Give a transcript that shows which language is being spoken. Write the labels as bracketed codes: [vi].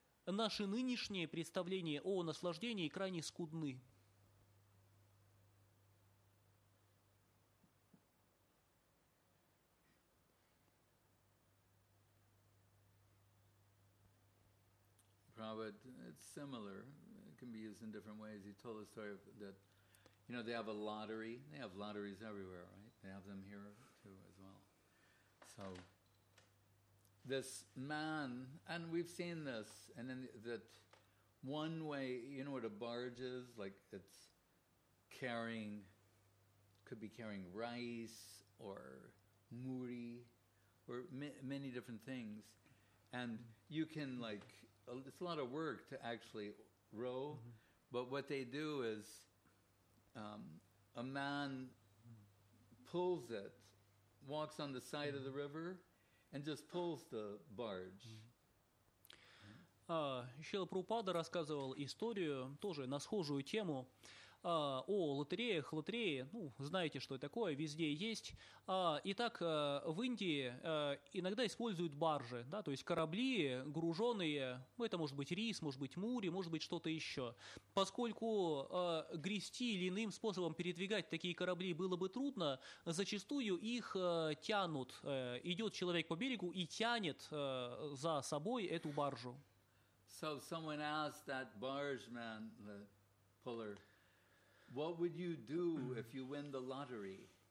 [ru] Наши нынешние представления о наслаждении крайне скудны. [en] Prabhupada, it's similar. It can be used in different ways. He told a story of that, you know, they have a lottery. They have lotteries everywhere, right? They have them here too as well. So this man, and we've seen this, and then that one way, you know what a barge is? Like it's carrying, could be carrying rice or muri or many different things. And you can like, it's a lot of work to actually row, mm-hmm. but what they do is a man pulls it, walks on the side mm-hmm. of the river, and just pulls the barge. [ru] Шрила Прабхупада рассказывал историю, тоже на схожую тему, о лотереях. Лотереи, ну, знаете, что такое, везде есть. Итак, в Индии иногда используют баржи, да, то есть корабли груженные, это может быть рис, может быть мури, может быть что-то еще. Поскольку грести или иным способом передвигать такие корабли было бы трудно, зачастую их тянут. Идет человек по берегу и тянет за собой эту баржу. [en] So someone asked that barge man, the puller, what would you do if you win the lottery?